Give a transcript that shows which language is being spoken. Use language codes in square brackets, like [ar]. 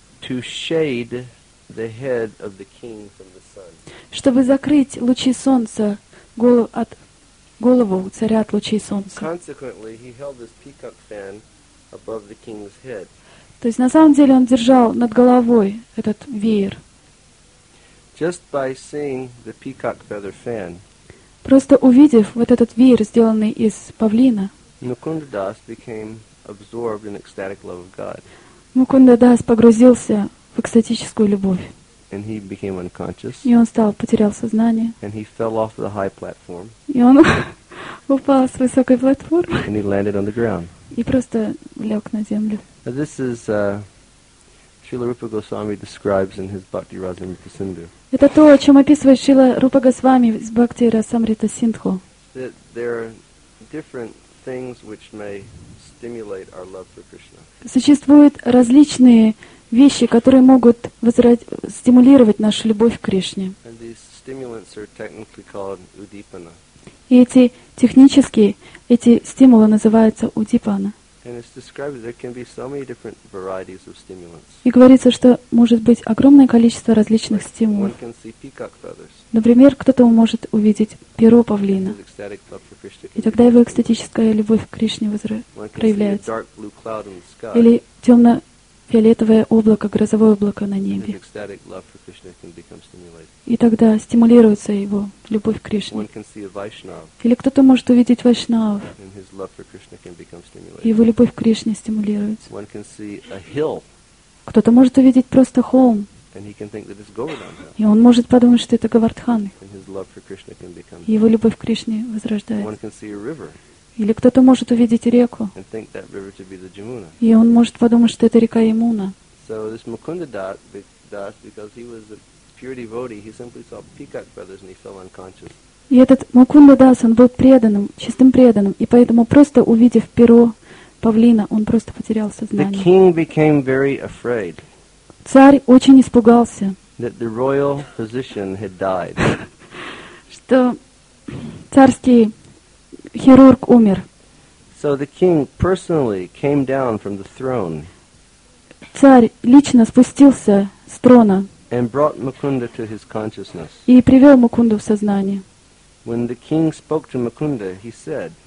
[en] to shade the head of the king from the sun. [ru] Чтобы закрыть лучи солнца голову царя от лучей солнца. [en] Consequently, he held this peacock fan above the king's head. [ru] То есть на самом деле он держал над головой этот веер. [en] Just by seeing the peacock feather fan. [ru] Просто увидев вот этот веер, сделанный из павлина. [en] Mukunda Das became absorbed in ecstatic love of God. [ru] Мукунда Дас погрузился в экстатическую любовь. И он потерял сознание. [en] And he fell off the high platform. [ru] И он упал с высокой платформы. [en] And he landed on the ground. [ru] И просто лег на землю. [en] Now this is Srila Rupa Goswami describes in his Bhakti Rasamrita Sindhu. [ru] Это то, о чем описывает Шрила Рупа Госвами из Бхакти Расамрита Синдху. [en] That there are different things which may stimulate our love for Krishna. [ru] Существуют различные вещи, которые могут стимулировать нашу любовь к Кришне. [en] And these stimulants are technically called udipana. [ru] И эти стимулы называются удипана. [en] And it's described that there can be so many different varieties of stimulants. [ru] И говорится, что может быть огромное количество различных стимулов. [en] One can see peacock feathers. [ru] Например, кто-то может увидеть перо павлина. И тогда его экстатическая любовь к Кришне проявляется. [en] One can see a dark blue cloud in the sky. [ru] Или темно-фиолетовое облако, грозовое облако на небе. [en] And ecstatic love for Krishna can become stimulated. [ru] И тогда стимулируется его любовь к Кришне. [en] One can see a Vaishnav. [ru] Или кто-то может увидеть Вайшнав. [en] And his love for Krishna can become stimulated. [ru] Его любовь к Кришне стимулируется. [en] One can see a hill. [ru] Кто-то может увидеть просто холм. [en] And he can think that it's Govardhan. [ru] И он может подумать, что это Говардхан. [en] And his love for Krishna can become. [ru] Его любовь к Кришне возрождается. [en] One can see a river. [ru] Или кто-то может увидеть реку. [en] And think that river to be the Jamuna. [ru] И он может подумать, что это река Ямуна. [en] So this Mukunda Das, because he was a pure devotee, he simply saw peacock feathers and he fell unconscious. [ru] И этот Мукунда Дас, он был преданным, чистым преданным, и поэтому просто увидев перо павлина, он просто потерял сознание. [en] The king became very afraid. [ru] Царь очень испугался, [en] that the royal physician had died. [ru] Что царский хирург умер. [en] So the king personally came down from the throne. [ru] Царь лично спустился с трона. [en] And brought Mukunda to his consciousness. [ru] И привел Мукунду в сознание. [en] When the king spoke to Mukunda, he said.